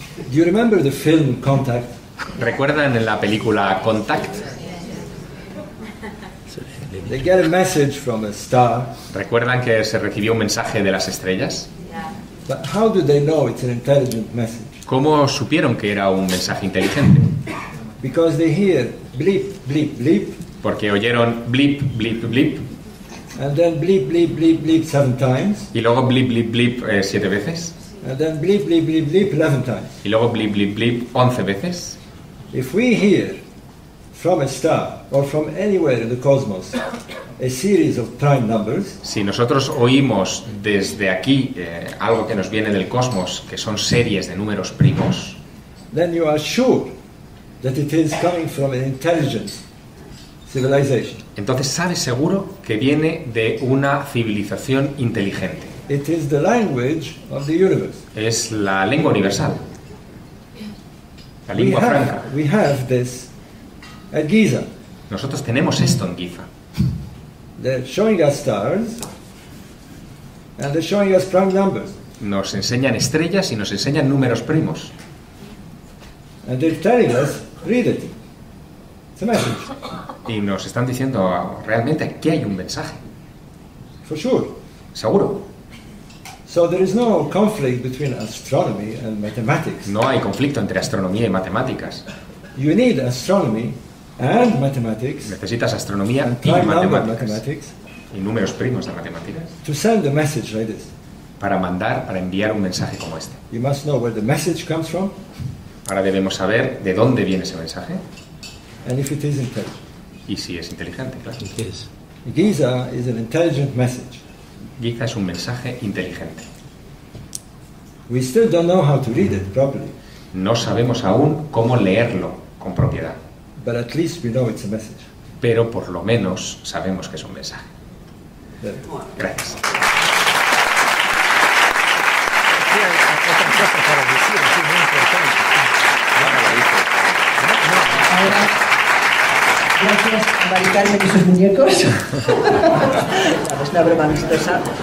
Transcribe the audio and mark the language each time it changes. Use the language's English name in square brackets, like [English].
[English] Do you remember the film Contact? [Spanish] ¿Recuerdan en la película Contact? [English] They get a message from a star. [Spanish] ¿Recuerdan que se recibió un mensaje de las estrellas? [English] But how do they know it's an intelligent message? [Spanish] ¿Cómo supieron que era un mensaje inteligente? [English] Because they hear bleep, bleep, bleep. [Spanish] Porque oyeron bleep, bleep, bleep. [English] And then bleep, bleep, bleep, bleep 7 times. [Spanish] Y luego bleep, bleep, bleep 7 veces. [English] And then bleep bleep bleep bleep 11 times. [Spanish] Y luego bleep bleep bleep 11 veces. [English] If we hear from a star or from anywhere in the cosmos a series of prime numbers. [Spanish] Si nosotros oímos desde aquí algo que nos viene del cosmos, que son series de números primos. [English] Then you are sure that it is coming from an intelligent civilization. [Spanish] Entonces sabes seguro que viene de una civilización inteligente. [English] It is the language of the universe. [Spanish] Es la lengua universal. La lengua franca. [English] We have this at Giza. [Spanish] Nosotros tenemos esto en Giza. [English] They're showing us stars and they're showing us prime numbers. [Spanish] Nos enseñan estrellas y nos enseñan números primos. [English] And they're telling us, read it. It's a message. [Spanish] Y nos están diciendo realmente aquí hay un mensaje. [English] For sure. [Spanish] Seguro. [English] So there is no conflict between astronomy and mathematics. [Spanish] No hay conflicto entre astronomía y matemáticas. [English] You need astronomy and mathematics. [Spanish] Necesitas astronomía y matemáticas. Y números primos de matemáticas. [English] To send a message like this. [Spanish] Para mandar, para enviar un mensaje como este. [English] You must know where the message comes from. [Spanish] Ahora debemos saber de dónde viene ese mensaje. [English] And if it is intelligent. [Spanish] Y si es inteligente, claro. [English] It is. Giza is an intelligent message. [Spanish] Giza es un mensaje inteligente. [English] We still don't know how to read it properly. [Spanish] No sabemos aún cómo leerlo con propiedad. [English] But at least we know it's a message. [Spanish] Pero por lo menos sabemos que es un mensaje. Gracias. Gracias, Maricarmen, y sus muñecos. Es una broma amistosa.